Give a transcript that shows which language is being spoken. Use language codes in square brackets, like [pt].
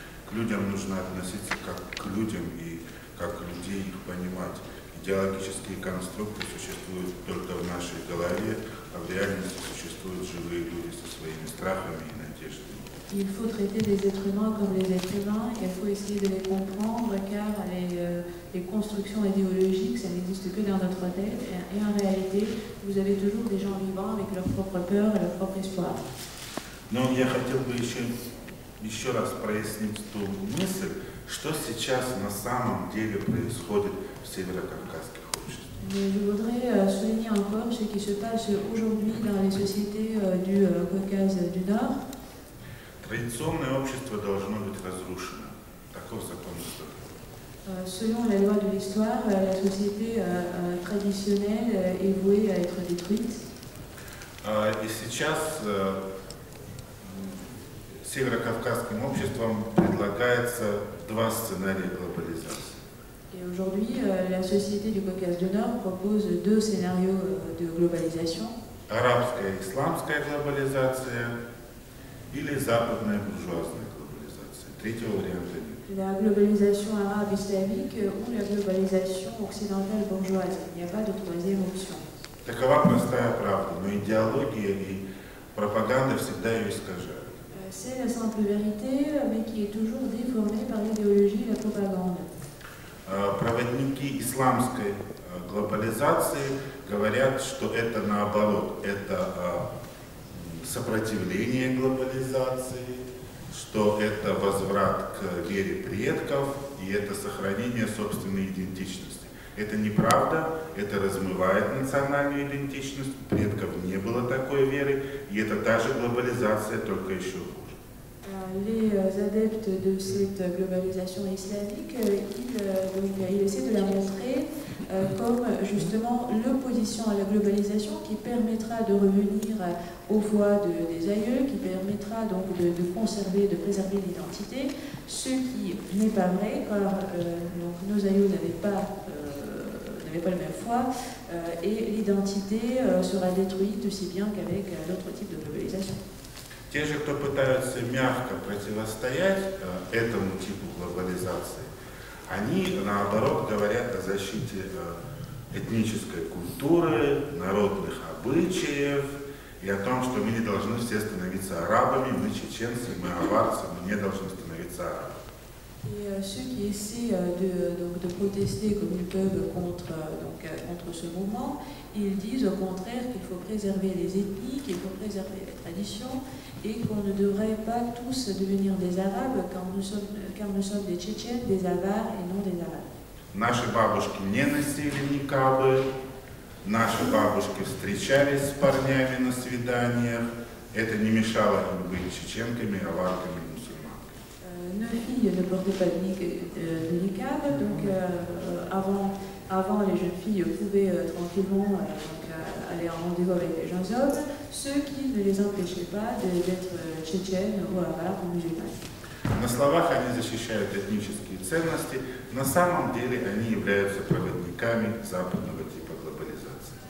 [ru] к людям нужно относиться как к людям и как людей их понимать. Идеологические конструкты существуют только в нашей голове, а в реальности существуют живые люди со своими страхами и надеждами. [fr] Il faut traiter les êtres humains comme les êtres humains, il faut essayer de les comprendre car les constructions idéologiques, ça n'existe que dans notre tête. Et en réalité, vous avez toujours des gens vivants avec leur propre peur et leur propre espoir. [ru] Non, я хотел бы еще раз прояснить ту мысль, что сейчас на самом деле происходит в северокавказских обществах. [fr] Je voudrais souligner encore ce qui se passe aujourd'hui dans les sociétés du Caucase du Nord. [ru] Традиционное общество должно быть разрушено. Таков закон. [fr] Selon la loi de l'histoire, la société traditionnelle est vouée à être détruite. [ru] И сейчас северокавказским обществом предлагается два сценария глобализации. [fr] Et aujourd'hui, la société du Caucase du Nord propose deux scénarios de globalisation. [ru] Арабская и исламская глобализация. Или западная буржуазная глобализация. Третьего варианта нет. [fr] La globalisation arabe-islamique ou la globalisation occidentale bourgeoise. Il n'y a pas de troisième option. [ru] Такова простая правда, но идеология и пропаганда всегда ее искажают. [fr] C'est la simple vérité, mais qui est toujours déformée par l'idéologie et la propagande. [ru] Проводники исламской глобализации говорят, что это наоборот, это сопротивление глобализации, что это возврат к вере предков и это сохранение собственной идентичности. Это неправда, это размывает национальную идентичность, предков не было такой веры, и это та же глобализация, только еще хуже. [fr] Les adeptes de cette globalisation islamique, ils essaient de la montrer comme justement l'opposition à la globalisation qui permettra de revenir aux voies des aïeux, qui permettra donc de conserver, de préserver l'identité, ce qui n'est pas vrai, car donc nos aïeux n'avaient pas la même foi, et l'identité sera détruite aussi bien qu'avec l'autre type de globalisation. [ru] Те же, кто пытаются мягко противостоять этому типу глобализации, они, наоборот, говорят о защите этнической культуры, народных обычаев и о том, что мы не должны все становиться арабами, мы чеченцы, мы аварцы, мы не должны становиться арабами. [fr] Et ceux qui essaient de protester comme ils peuvent contre ce mouvement, ils disent au contraire qu'il faut préserver les ethnies, qu'il faut préserver les traditions, et qu'on ne devrait pas tous devenir des Arabes car nous sommes des Tchétchènes, des Avars et non des Arabes. [ru] Наши бабушки не носили никабы, Наши бабушки встречались с парнями на свиданиях. Это не мешало им быть чеченками, аварками, мусульманками. [fr] Nos filles ne portaient pas de niqab, donc avant les jeunes filles pouvaient tranquillement aller en rendez-vous avec les jeunes hommes, ce qui ne les empêchait pas d'être tchétchènes ou arabes ou musulmanes. [ru] На словах они защищают этнические ценности, на самом деле они являются проводниками западного типа глобализации.